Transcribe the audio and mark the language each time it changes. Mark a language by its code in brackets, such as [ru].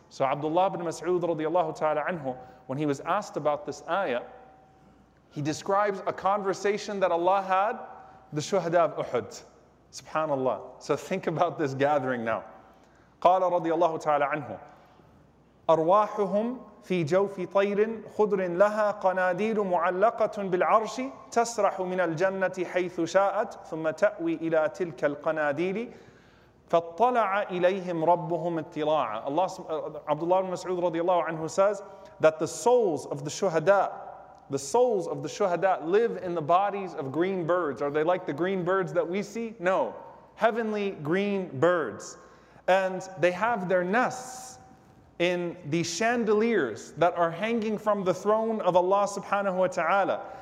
[en] So Abdullah ibn Mas'ud radiallahu ta'ala anhu, when he was asked about this ayah, he describes a conversation that Allah had, the shuhada of Uhud. Subhanallah. So think about this gathering now. [ar] Qala radiallahu ta'ala anhu, arwahuhum في جوف طير خضر لها قناديل معلقة بالعرش تسرح من الجنة حيث شاءت ثم تأوي إلى تلك القناديل فاطلع إليهم ربهم اطلاعا. [en] Abdullah ibn Mas'ud radiallahu anhu says that the souls of the shuhada, the souls of the shuhada live in the bodies of green birds. Are they like the green birds that we see? No. Heavenly green birds. And they have their nests in the chandeliers that are hanging from the throne of Allah subhanahu wa ta'ala.